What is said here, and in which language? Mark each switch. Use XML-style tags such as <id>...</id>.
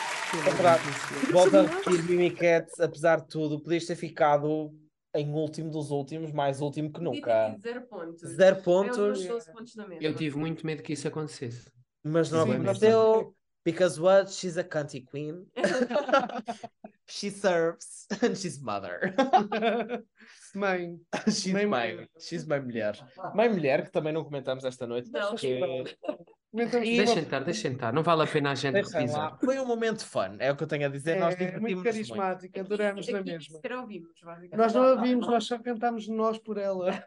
<pt>Que é a volta a repetir, Mimica, apesar de tudo, podias ter ficado em último dos últimos, mais último que nunca. Zero pontos. Eu tive muito medo que isso acontecesse. Mas não aconteceu.</pt> <en>Because what? She's a country queen. She serves and she's mother.</en> <pt>Mãe.</pt> <en>She's</en> <pt>mãe. Mãe. She's mãe mulher. Mãe mulher, que também não comentamos esta noite. Não, porque... Deixa entrar. Não vale a pena a gente revisar. Foi um momento fun, é o que eu tenho a dizer. É, nós muito carismática, muito. Adoramos na mesma. Ouvimos, nós não ouvimos, nós só cantámos nós por ela.</pt>